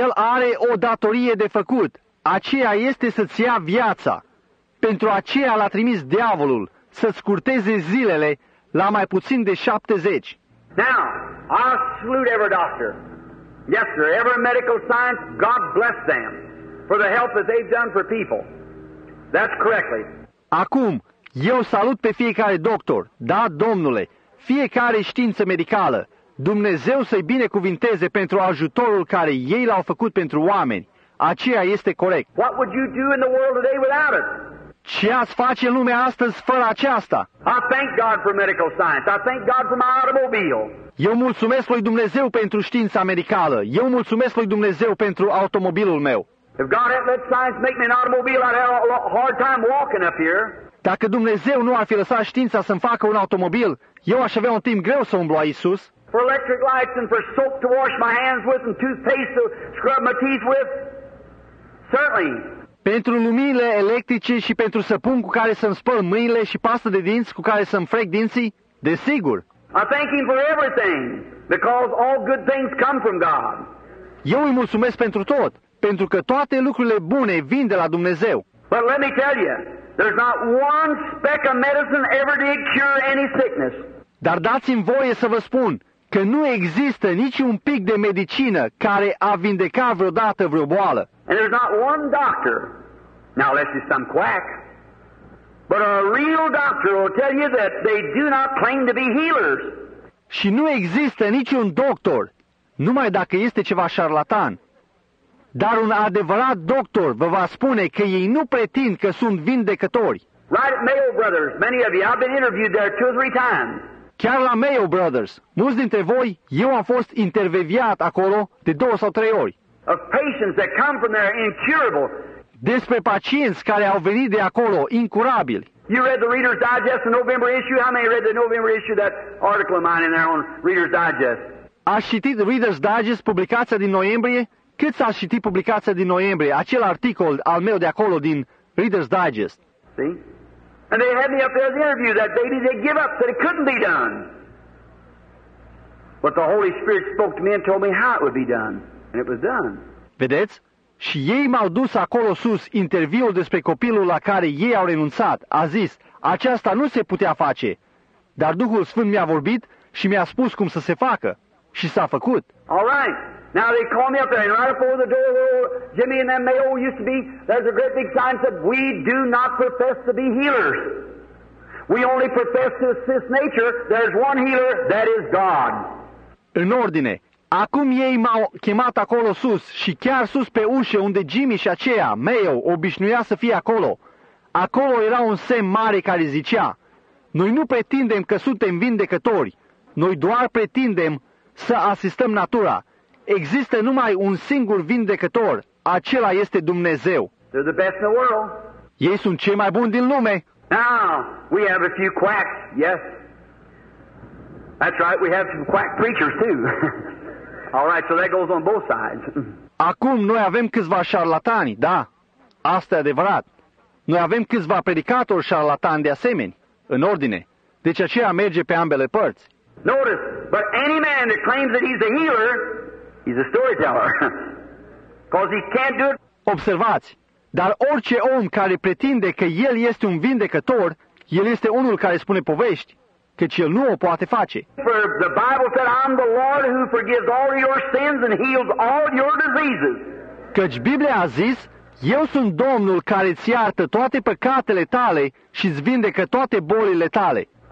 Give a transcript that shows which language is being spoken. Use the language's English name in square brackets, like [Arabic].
[Romanian] El are o datorie de făcut, aceea este să-ți ia viața. Pentru aceea l-a trimis diavolul. Să scurteze zilele la mai puțin de 70. [English] Now, I salute every doctor. Yes, sir, every medical science, God bless them for the help that they've done for people. That's correctly. [Romanian] Acum, eu salut pe fiecare doctor, da, domnule, fiecare știință medicală. Dumnezeu să-i binecuvinteze pentru ajutorul care ei l-au făcut pentru oameni. Aceea este corect. [English] What would you do in the world today without it? [Romanian] Ce ați face în lumea astăzi fără aceasta? [English] I thank God for medical science. I thank God for my automobile. [Romanian] Eu mulțumesc lui Dumnezeu pentru știința medicală. Eu mulțumesc lui Dumnezeu pentru automobilul meu. [English] If God hadn't let science make me an automobile, I'd have a hard time walking up here. [Romanian] Dacă Dumnezeu nu ar fi lăsat știința să-mi facă un automobil, eu aș avea un timp greu să umblu aici sus. [English] For electric lights and for soap to wash my hands with and toothpaste to scrub my teeth with. Certainly. [Romanian] Pentru lumile electrice și pentru săpun cu care să-mi spăl mâinile și pastă de dinți cu care să-mi frec dinții, desigur. [English] I thank him for everything, because all good things come from God. [Romanian] Eu îi mulțumesc pentru tot, pentru că toate lucrurile bune vin de la Dumnezeu. [English] But let me tell you, there's not one speck of medicine ever did cure any sickness. [Romanian] Dar dați-mi voie să vă spun că nu există niciun pic de medicină care a vindecat vreodată vreo boală. [English] And there's not one doctor, now unless he's some quack, but a real doctor will tell you that they do not claim to be healers. [Romanian] Și nu există niciun doctor, numai dacă este ceva șarlatan. Dar un adevărat doctor vă va spune că ei nu pretind că sunt vindecători. [English] Right at Mayo Brothers, many of you, I've been interviewed there 2 or 3 times. [Romanian] Chiar la Mayo Brothers, mulți dintre voi, eu am fost interviewat acolo de 2 sau 3 ori. [English] Of patients that come from there incurable. [Romanian] Despre pacienți care au venit de acolo incurabili. [English] You read the Reader's Digest, the November issue? How many read the November issue, that article of mine in there on Reader's Digest? [Romanian] Ați citit Reader's Digest, publicația din noiembrie? Cât s-a citit publicația din noiembrie, acel articol al meu de acolo din Reader's Digest? [English] See? And they had me up there at the interview, that baby, they give up, that it couldn't be done. But the Holy Spirit spoke to me and told me how it would be done. And it was done. [Romanian] Vedeți? Și ei m-au dus acolo sus, interviul despre copilul la care ei au renunțat. A zis, aceasta nu se putea face. Dar Duhul Sfânt mi-a vorbit și mi-a spus cum să se facă. Și s-a făcut. [English] All right. Now they call me up there, and right up over the door where Jimmy and them Mayo used to be, there's a great big sign that we do not profess to be healers. We only profess to assist nature. There's one healer, that is God. [Romanian] În ordine. Acum ei m-au chemat acolo sus și chiar sus pe ușă unde Jimmy și aceea, Mayo, obișnuia să fie acolo. Acolo era un semn mare care zicea: noi nu pretindem că suntem vindecători, noi doar pretindem să asistăm natura. Există numai un singur vindecător, acela este Dumnezeu. [English] They're the best in the world. [Romanian] Ei sunt cei mai buni din lume. [English] Now, we have a few quacks, yes. That's right, we have some quack preachers too. All right, so that goes on both sides. [Romanian] Acum noi avem câțiva șarlatani, da. Asta e adevărat. Noi avem câțiva predicatori șarlatani de asemenea, în ordine. Deci aceea merge pe ambele părți. [English] Notice, but any man that claims that he's a healer, he's a storyteller. Because he can't do it. [Romanian] Observați, dar orice om care pretinde că el este un vindecător, el este unul care spune povești, căci el nu o poate face. [English] For the Bible said, I'm the Lord who forgives all your sins and heals all your diseases. [Romanian] Căci Biblia a zis: eu sunt Domnul care îți iartă toate păcatele tale și îți vindecă toate bolile tale.